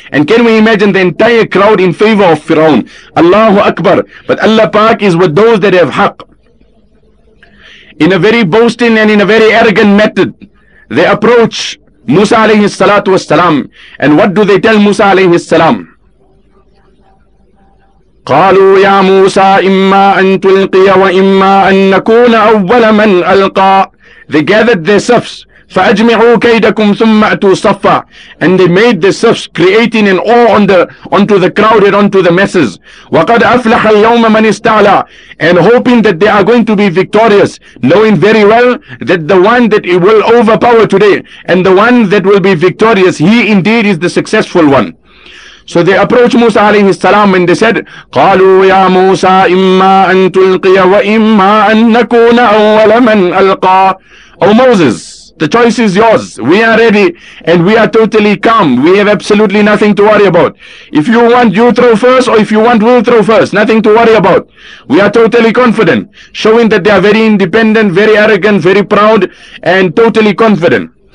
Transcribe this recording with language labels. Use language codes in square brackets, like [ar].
[en] And can we imagine the entire crowd in favor of Fir'aun? Allahu Akbar. But Allah Pak is with those that have haq. In a very boasting and in a very arrogant method, they approach Musa alayhi salatu wa salam. And what do they tell Musa alayhi salam? [ar] قالوا يا موسى إما أن تلقي وإما أن نكون أول من ألقى. [en] They gathered their selves. [ar] فَأَجْمِعُوا كَيْدَكُمْ ثُمَّ أَتُوا صَفَّا. [en] And they made themselves creating an awe onto the crowd and onto the masses. [ar] وَقَدْ أَفْلَحَ الْيَوْمَ مَنِ اسْتَعْلَى. [en] And hoping that they are going to be victorious, knowing very well that the one that will overpower today and the one that will be victorious, he indeed is the successful one. So they approached Musa alayhi salam and they said, [ar] قَالُوا يَا مُوسَىٰ إِمَّا أَن تُلْقِيَ وَإِمَّا أَن نَكُونَ أَوَّلَ مَنْ أَلْقَىٰ. [en] O Moses, the choice is yours. We are ready and we are totally calm. We have absolutely nothing to worry about. If you want, you throw first, or if you want, we'll throw first. Nothing to worry about. We are totally confident, showing that they are very independent, very arrogant, very proud, and totally confident.